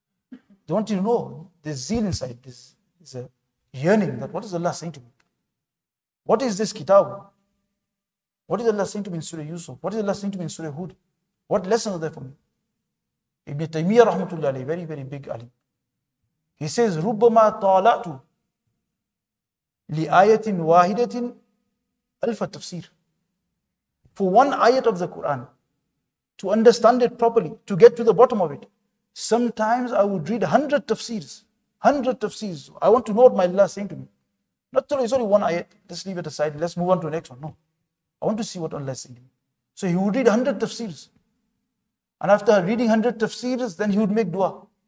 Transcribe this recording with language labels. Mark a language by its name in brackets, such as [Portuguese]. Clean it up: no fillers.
[English] They want you to know the zeal inside this. It's a yearning that what is Allah saying to me? What is this kitab? What is Allah saying to me in Surah Yusuf? What is Allah saying to me in Surah Hud? What lessons are there for me? Ibn Taymiyyah rahmatullahi alayhi, very, very big alim. [Arabic] He says, رُبَّمَا طَالَعْتُ لِآيَةٍ وَاهِدَةٍ أَلْفَ التَّفْسِيرِ. [English] For one ayat of the Quran, to understand it properly, to get to the bottom of it, sometimes I would read 100 tafsirs. 100 tafsirs. I want to know what my Allah is saying to me. Not only, it's only one ayat. Let's leave it aside. Let's move on to the next one. No. I want to see what Allah is saying to me. So he would read 100 tafsirs. And after reading 100 tafsirs, then he would make dua.